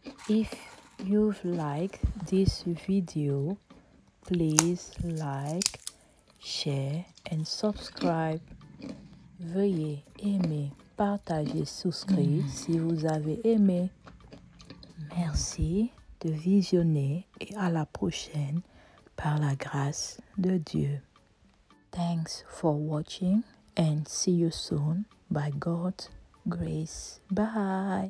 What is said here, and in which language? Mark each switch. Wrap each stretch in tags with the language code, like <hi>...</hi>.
<en>If you've liked this video, please like, share and subscribe.</en> <fr>Veuillez aimer, partager, souscrire si vous avez aimé. Merci de visionner et à la prochaine par la grâce de Dieu.</fr> <en>Thanks for watching and see you soon by God's grace. Bye.</en>